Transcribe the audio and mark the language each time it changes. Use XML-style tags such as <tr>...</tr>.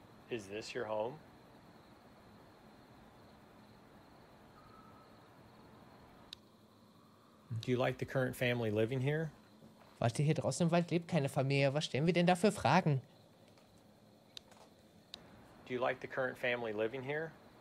<en>Is this your home? Do you like the current family living here?</en> <de>Warte, hier draußen im Wald lebt keine Familie. Was stellen wir denn da für Fragen?</de> <en>Do you like the current family living here?</en>